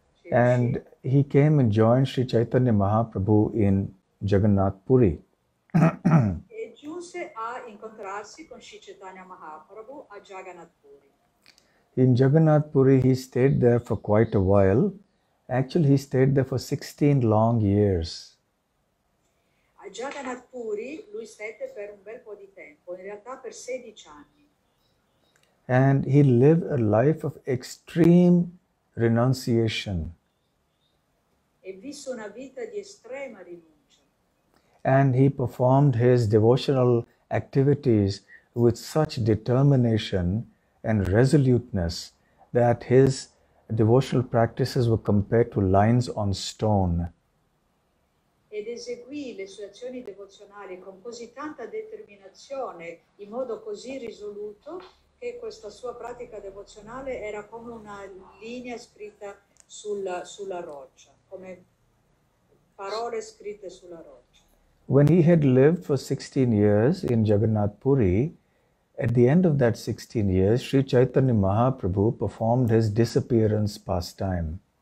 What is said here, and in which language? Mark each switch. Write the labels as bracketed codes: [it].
[en] And he came and joined Sri Chaitanya Mahaprabhu in Jagannath Puri. [it] E giunse a incontrarsi con Sri Chaitanya Mahaprabhu a Jagannath Puri. [en] In Jagannath Puri, he stayed there for quite a while. Actually, he stayed there for 16 long years. [it] A Jagannath Puri, lui stette per un bel po' di tempo, in realtà per 16 anni. [en] And he lived a life of extreme renunciation. [it] E visse una vita di estrema rinuncia. [en] And he performed his devotional activities with such determination and resoluteness that his devotional practices were compared to lines on stone. [it] Ed eseguì le sue azioni devozionali con così tanta determinazione, in modo così risoluto, che questa sua pratica devozionale era come una linea scritta sulla roccia, come parole scritte sulla roccia. [en] When he had lived for 16 years in Jagannath Puri, at the end of that 16 years, Sri Chaitanya Mahaprabhu performed his disappearance pastime.